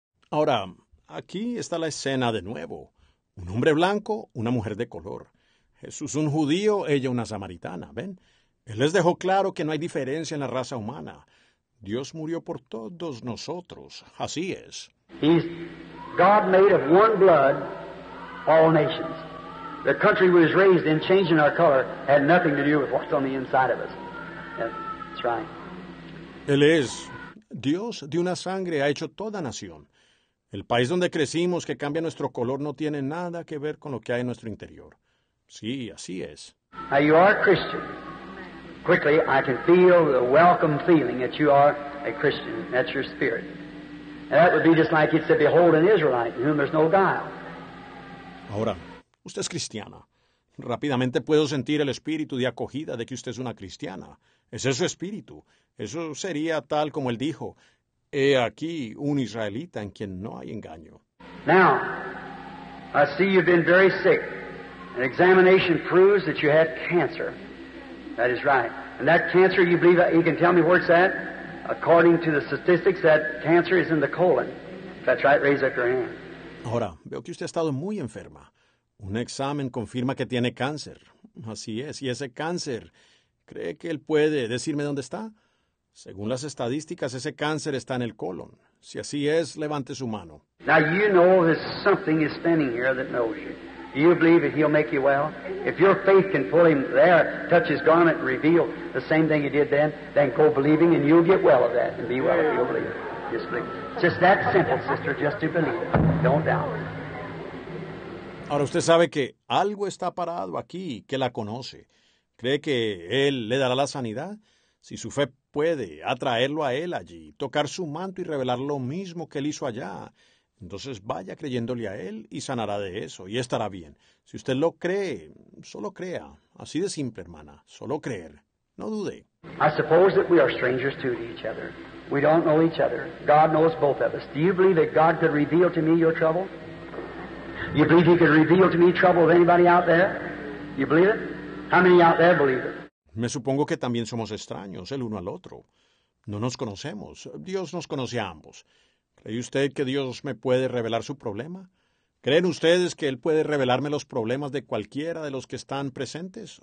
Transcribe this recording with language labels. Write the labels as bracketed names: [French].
[Spanish] Ahora, aquí está la escena de nuevo. Un hombre blanco, una mujer de color. Jesús un judío, ella una samaritana. ¿Ven? Él les dejó claro que no hay diferencia en la raza humana. Dios murió por todos nosotros. Así es. [English] He's God made of one blood, all nations. The country we was raised in, changing our color, had nothing to do with what's on the inside of us. That's right. [Spanish] Él es... Dios de una sangre ha hecho toda nación. El país donde crecimos, que cambia nuestro color, no tiene nada que ver con lo que hay en nuestro interior. Sí, así es. [English] Now you are a Christian. Quickly, I can feel the welcome feeling that you are a Christian. That's your spirit. And that would be just like it said, behold an Israelite in whom there's no guile. [Spanish] Ahora, usted es cristiana. Rápidamente puedo sentir el espíritu de acogida de que usted es una cristiana. Ese es su espíritu. Eso sería tal como él dijo, he aquí un israelita en quien no hay engaño. [English] Now, I see you've been very sick. An examination proves that you have cancer. That is right. And that cancer, you believe, you can tell me where it's at? According to the statistics, that cancer is in the colon. If that's right, raise up your hand. [Spanish] Ahora, veo que usted ha estado muy enferma. Un examen confirma que tiene cáncer. Así es. Y ese cáncer, ¿cree que él puede decirme dónde está? Según las estadísticas, ese cáncer está en el colon. Si así es, levante su mano. [English] Now you know there's something is standing here that knows you. Do you believe that he'll make you well? If your faith can pull him there, touch his garment and reveal the same thing he did then go believing and you'll get well of that and be well if you'll believe. Just believe. Just that simple, sister, just to believe it. Don't doubt it. [Spanish] Ahora usted sabe que algo está parado aquí que la conoce. ¿Cree que él le dará la sanidad? Si su fe puede atraerlo a él allí, tocar su manto y revelar lo mismo que él hizo allá, entonces vaya creyéndole a él y sanará de eso y estará bien. Si usted lo cree, solo crea. Así de simple, hermana. Solo creer. No dude. [English] I suppose that we are strangers to each other. We don't know each other. God knows both of us. Do you believe that God could reveal to me your trouble? You believe he could reveal to me trouble of anybody out there? You believe it? How many out there believe it? [Spanish] Me supongo que también somos extraños el uno al otro. No nos conocemos. Dios nos conoce a ambos. ¿Cree usted que Dios me puede revelar su problema? ¿Creen ustedes que Él puede revelarme los problemas de cualquiera de los que están presentes?